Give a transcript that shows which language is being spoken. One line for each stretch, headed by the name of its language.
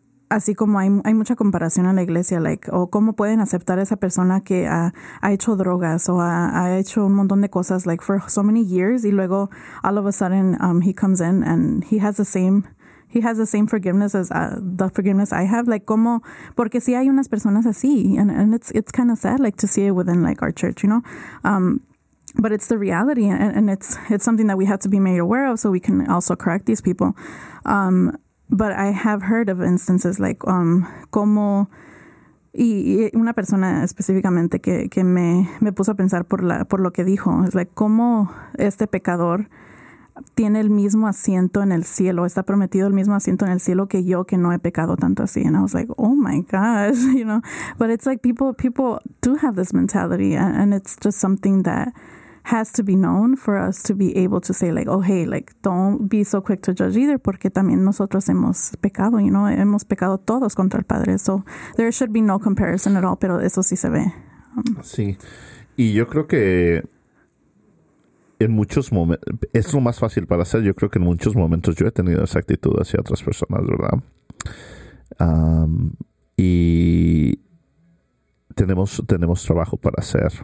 Spanish: Así como hay mucha comparación en la iglesia, like, o cómo pueden aceptar a esa persona que ha hecho drogas o ha hecho un montón de cosas,
English: like, for so many years,
Spanish: y luego,
English: all of a sudden, he comes in and he has the same forgiveness as the forgiveness I have. Like,
Spanish: cómo, porque sí hay unas personas así,
English: and it's kind of sad, like, to see it within, like, our church, you know? But it's the reality, and it's something that we have to be made aware of so we can also correct these people. But I have heard of instances like,
Spanish: como, y una persona específicamente que me puso a pensar por lo que dijo, es like, como este pecador tiene el mismo asiento en el cielo, está prometido el mismo asiento en el cielo que yo, que no he pecado tanto así.
English: And I was like, oh my gosh, you know, but it's like people do have this mentality, and it's just something that has to be known for us to be able to say, like, oh, hey, like, don't be so quick to judge either,
Spanish: porque también nosotros hemos pecado,
English: you know,
Spanish: hemos pecado todos contra el Padre.
English: So there should be no comparison at all,
Spanish: pero eso sí se ve. Sí, y yo creo que en muchos momentos, es lo más fácil para hacer, yo creo que en muchos momentos yo he tenido esa actitud hacia otras personas, ¿verdad? Y tenemos trabajo para hacer.